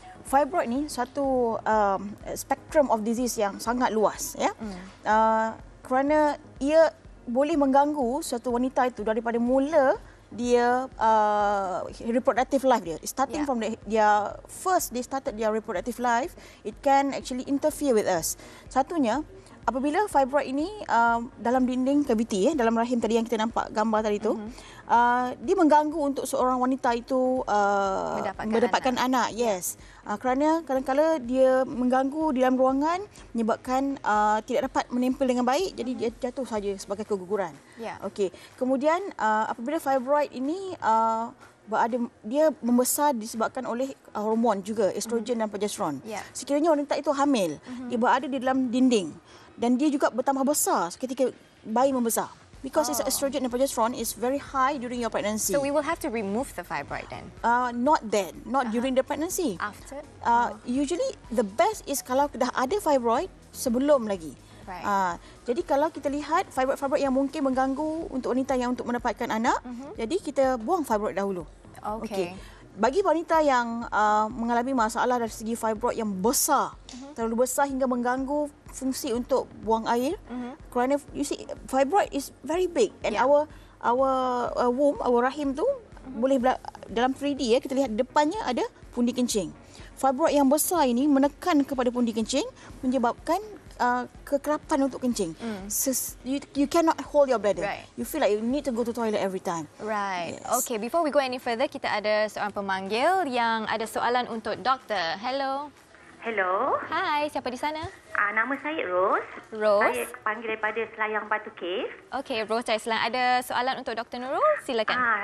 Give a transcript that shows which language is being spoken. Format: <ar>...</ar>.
<ms>Fibroid ni satu</ms> <en>spectrum of disease</en> <ms>yang sangat luas, ya. Kerana ia boleh mengganggu suatu wanita itu daripada mula dia</ms> <en>reproductive life</en> <ms>dia.</ms> <en>Starting from their reproductive life, it can actually interfere with us.</en> <ms>Satunya, apabila fibroid ini dalam dinding kaviti, dalam rahim tadi yang kita nampak gambar tadi itu, dia mengganggu untuk seorang wanita itu mendapatkan anak.</ms> <en>Yes.</en> <ms>Kerana kadang-kadang dia mengganggu di dalam ruangan, menyebabkan tidak dapat menempel dengan baik, jadi dia jatuh saja sebagai keguguran.</ms> <en>Yeah.</en> <ms>Okey. Kemudian apabila fibroid ini berada, dia membesar disebabkan oleh hormon juga, estrogen dan progesteron.</ms> <en>Yeah.</en> <ms>Sekiranya wanita itu hamil, dia berada di dalam dinding, dan dia juga bertambah besar ketika bayi membesar.</ms> <en>Because its estrogen and progesterone is very high during your pregnancy. So we will have to remove the fibroid then? Not then. Not during the pregnancy. After? Usually, the best is</en> <ms>kalau dah ada fibroid, sebelum lagi.</ms> <en>Right.</en> <ms>Jadi kalau kita lihat fibroid-fibroid yang mungkin mengganggu untuk wanita yang untuk mendapatkan anak, jadi kita buang fibroid dahulu.</ms> <en>Okay. Okay.</en> <ms>Bagi wanita yang mengalami masalah dari segi fibroid yang besar, terlalu besar hingga mengganggu fungsi untuk buang air, kerana</ms> <en>you see fibroid is very big and our womb, our</en> <ms>rahim tu boleh dalam 3D, ya, kita lihat depannya ada pundi kencing. Fibroid yang besar ini menekan kepada pundi kencing, menyebabkan kekerapan untuk kencing.</ms> <en>You cannot hold your bladder. Right. You feel like you need to go to toilet every time. Right. Yes. Okay, before we go any further,</en> <ms>kita ada seorang pemanggil yang ada soalan untuk doktor.</ms> <en>Hello. Hello.</en> <ms>Hi, siapa di sana? Nama saya Rose. Rose. Saya panggil daripada Selayang Batu Cave. Okay, Rose dari Selayang. Ada soalan untuk Dr. Nurul? Silakan.</ms>